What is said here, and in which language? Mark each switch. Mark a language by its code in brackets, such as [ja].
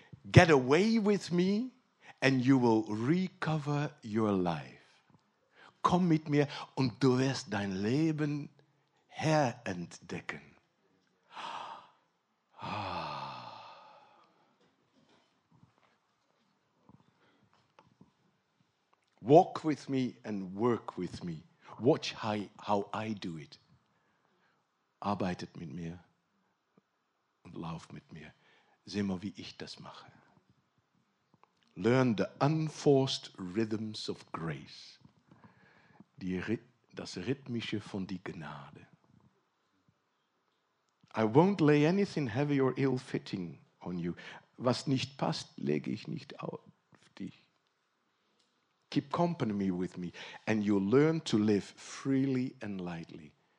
[en] Get away with me and you will recover your life. [de] Komm mit mir und du wirst dein Leben herentdecken. [en] Walk with me and work with me. Watch how I do it. [de] Arbeitet mit mir und lauf mit mir. Seh mal, wie ich das mache. [en] Learn the unforced rhythms of grace. [de] Das Rhythmische von die Gnade. [en] I won't lay anything heavy or ill-fitting on you. [de] Was nicht passt, lege ich nicht auf dich. [en] Keep company with me and you'll learn to live freely and lightly.